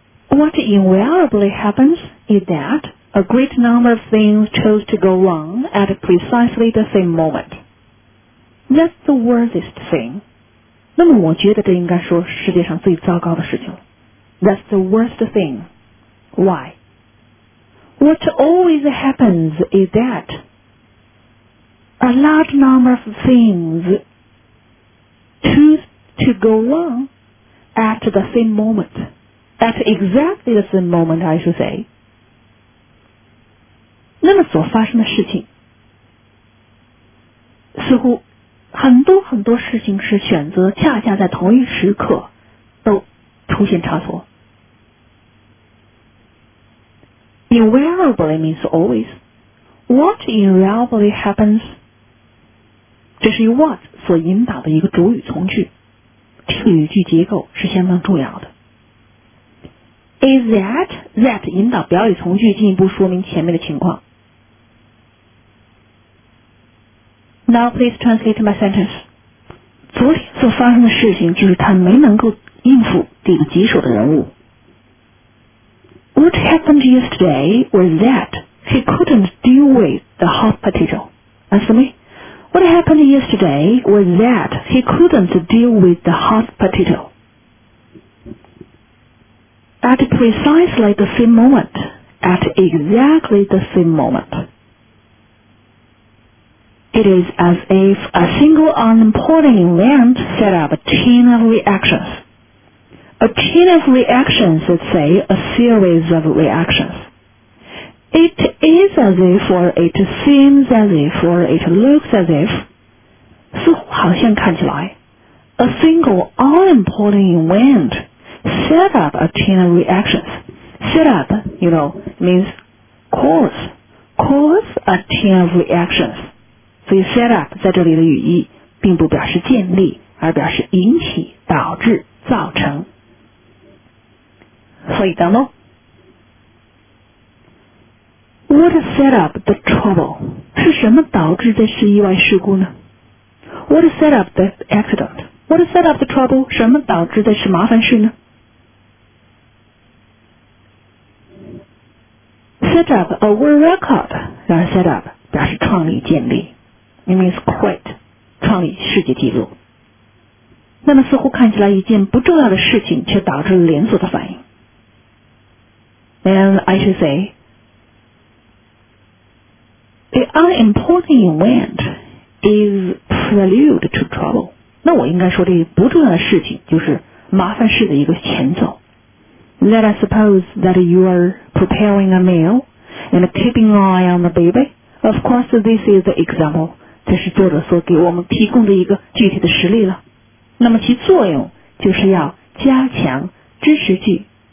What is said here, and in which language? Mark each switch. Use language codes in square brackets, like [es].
[en] What invariably happens is that a great number of things chose to go wrong at precisely the same moment. That's the worstest thing. [zh] 那么我觉得这应该说世界上最糟糕的事情了。 [en] That's the worst thing. Why? What always happens is that a large number of things choose to go wrong at the same moment. At exactly the same moment, I should say. [zh] 那么所发生的事情似乎很多很多事情是选择恰恰在同一时刻都出现差错。 [en] Invariably means always. What invariably happens? [zh] 这是由 what 所引导的一个主语从句。这个语句结构是相当重要的。 [en] Is that that [zh] 引导表语从句进一步说明前面的情况。 [en] Now please translate my sentence. [zh] 昨天所发生的事情就是他没能够应付这个棘手的人物。 [en] What happened yesterday was that he couldn't deal with the hot potato. Answer me. What happened yesterday was that he couldn't deal with the hot potato. At precisely the same moment, at exactly the same moment, it is as if a single unimportant event set up a chain of reactions. A chain of reactions, let's say, a series of reactions. It is as if, or it seems as if, or it looks as if, [zh] 似乎好像看起来, [en] a single unimportant event set up a chain of reactions. Set up, you know, means cause a chain of reactions. [zh] 所以 set up 在这里的语义并不表示建立，而表示引起、导致、造成。所以等咯。 [en] What set up the trouble? [zh] 是什么导致这次意外事故呢? [en] What set up the accident? What set up the trouble? [zh] 什么导致这次麻烦事呢? [en] Set up a world record. [zh] 然后 set up 表示创立建立。 [en] It means create, [zh] 创立世界纪录。那么似乎看起来一件不重要的事情却导致了连锁的反应。 [en] And I should say, the unimportant event is prelude to trouble. [zh] 那我应该说的不重要的事情就是麻烦事的一个前奏。 [en] Let us suppose that you are preparing a meal and keeping an eye on the baby. Of course, this is the example. [zh] 这是作者所给我们提供的一个具体的实例了。那么其作用就是要加强支持句。